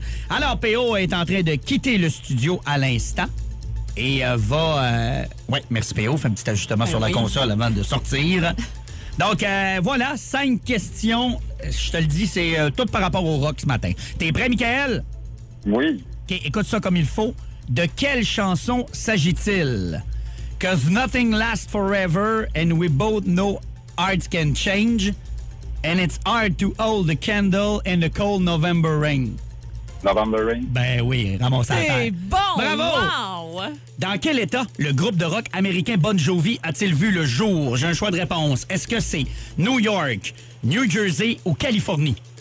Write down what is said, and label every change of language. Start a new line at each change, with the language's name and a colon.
French: Alors, PO est en train de quitter le studio à l'instant. Et va... Oui, merci PO. Fais un petit ajustement sur la console avant de sortir. Donc, voilà, 5 questions. Je te le dis, c'est tout par rapport au rock ce matin. T'es prêt, Michael? Oui. OK, écoute ça comme il faut. De quelle chanson s'agit-il?
English: 'Cause nothing lasts forever and we both know hearts can change and it's hard to hold a candle in the cold November rain. November rain?
French: Ben oui, ramasse à la terre. Bon! Bravo! Wow! Dans quel état le groupe de rock américain Bon Jovi a-t-il vu le jour? J'ai un choix de réponse. Est-ce que c'est New York, New Jersey ou Californie?